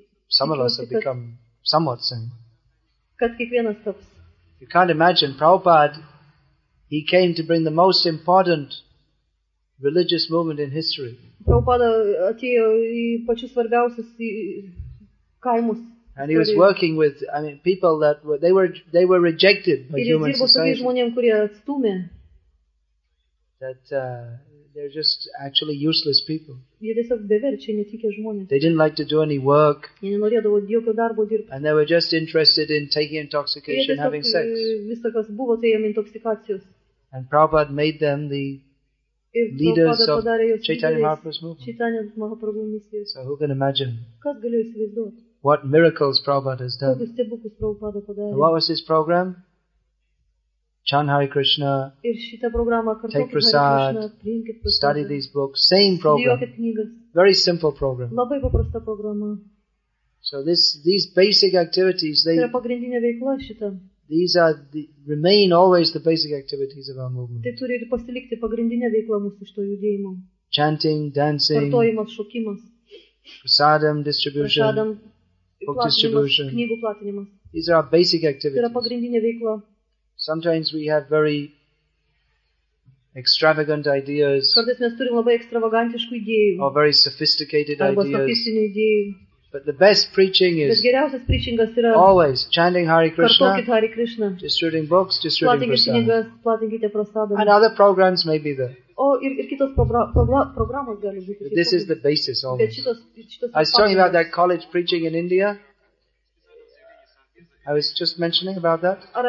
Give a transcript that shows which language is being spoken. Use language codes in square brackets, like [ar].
[en] Some of us have become somewhat sane. [lt] Kad kiekvienas toks. [en] You can't imagine, Prabhupada, he came to bring the most important religious movement in history. [lt] Prabhupada atėjo į pačius svarbiausius kaimus. [en] And he was working with, I mean, people that were, they were rejected by human society. [lt] Žmonėm, kurie atstumė. [en] That they're just actually useless people. [lt] Jie tiesiog beverčiai, netikė žmonės. [en] They didn't like to do any work. [lt] Jie nenorėdavo jokio darbo dirbti. [en] And they were just interested in taking intoxication and having sex. [lt] Visa kas buvo, tai jiem intoksikacijos. [en] And Prabhupada made them the leaders of Chaitanya Mahaprabhu's movement. [lt] Chaitanya Mahaprabhu misijos. [en] So who can imagine? [lt] Kas galėjo įsivaizduoti? [en] What miracles Prabhupada has done. [lt] Kokius stebuklus Prabhupada padarė. [en] What was his program? Chant Hare Krishna, [lt] ir šita programa, [en] take prasad, study these books, same program, very simple program. [lt] Labai paprasta programa. [en] So these basic activities, they [lt] yra pagrindinė veikla šita. [en] These are the, remain always the basic activities of our movement. [lt] Tai turi pasilikti pagrindinė veikla mūsų šito judėjimo. [en] Chanting, dancing, [lt] kartojimas, šokimas, [en] prasadam, book distribution, [lt] knygų platinimas. [en] These are our basic activities. [lt] Tai yra pagrindinė veikla. [en] Sometimes we have very extravagant ideas. [lt] Kartais mes turim labai ekstravagantiškų idėjų. [en] Or very sophisticated ideas. [lt] Arba sofistinių idėjų. [en] But the best preaching is. [lt] Bet geriausias preachingas yra. [en] Always chanting Hare Krishna. [lt] Kartokit Hare Krishna. [en] Distributing books, distributing prasadam. [lt] Platinkite knygas, platinkite prasadam. [en] And other programs may be there. [lt] O ir kitos programos gali būti. [en] This is the basis always. I was talking about that college preaching in India. I was just mentioning about that.